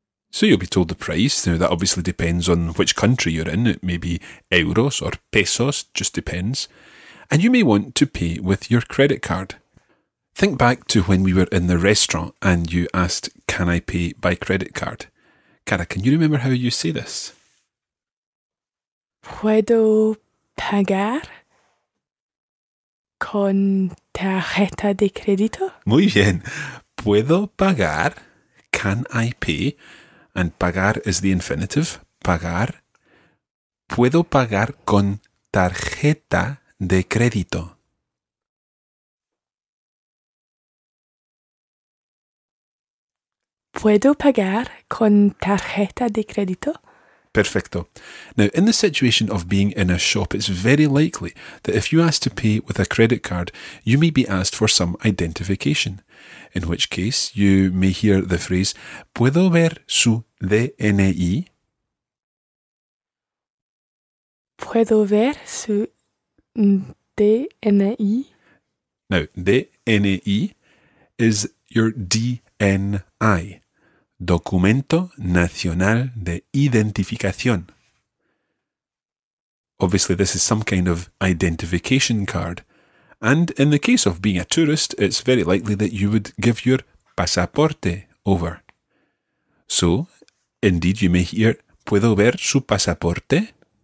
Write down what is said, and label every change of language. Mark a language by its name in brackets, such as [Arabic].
[English] So you'll be told the price. Now, that obviously depends on which country you're in. It may be euros or pesos, just depends. And you may want to pay with your credit card. Think back to when we were in the restaurant and you asked, can I pay by credit card? Cara, can you remember how you say this? [Spanish] ¿Puedo pagar con tarjeta de crédito? Muy bien. ¿Puedo pagar? [English] Can I pay? And pagar is the infinitive. Pagar. [Spanish] ¿Puedo pagar con tarjeta de crédito? ¿Puedo pagar con tarjeta de crédito? Perfecto. [English] Now, in the situation of being in a shop, it's very likely that if you ask to pay with a credit card, you may be asked for some identification. In which case, you may hear the phrase, [Spanish] ¿puedo ver su DNI? ¿Puedo ver su DNI? [English] Now, DNI is your DNI. [Spanish] DNI, Documento Nacional de Identificación. [English] Obviously, this is some kind of identification card. And in the case of being a tourist, it's very likely that you would give your pasaporte over. So, indeed, you may hear, [Spanish] ¿Puedo ver su pasaporte?